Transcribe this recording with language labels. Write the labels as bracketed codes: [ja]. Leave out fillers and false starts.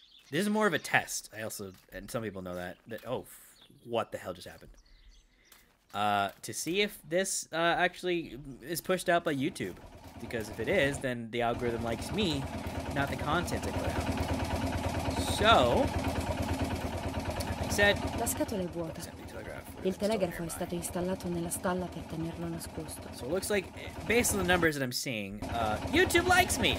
[en] This is more of a test. I also... And some people know that. Oh, what the hell just happened? To see if this actually is pushed out by YouTube. Because if it is, then the algorithm likes me, not the content I put out. So, he said, [it] la scatola è vuota. Il telegrafo è stato installato nella stalla per tenerlo nascosto. [en] So it looks like, based on the numbers that I'm seeing, YouTube likes me.